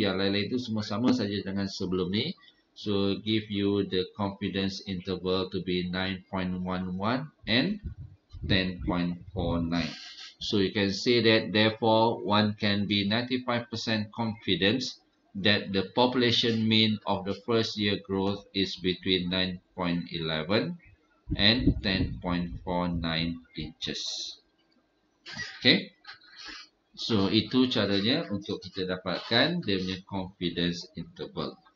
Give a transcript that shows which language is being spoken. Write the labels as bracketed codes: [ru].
[ms] Yang lain-lain itu semua sama saja dengan sebelum ni. [en] So give you the confidence interval to be 9.11 and 10.49. So you can say that therefore one can be 95% confident that the population mean of the first year growth is between 9.11 and 10.49 inches. Okay. [ms] So itu caranya untuk kita dapatkan dia punya confidence interval.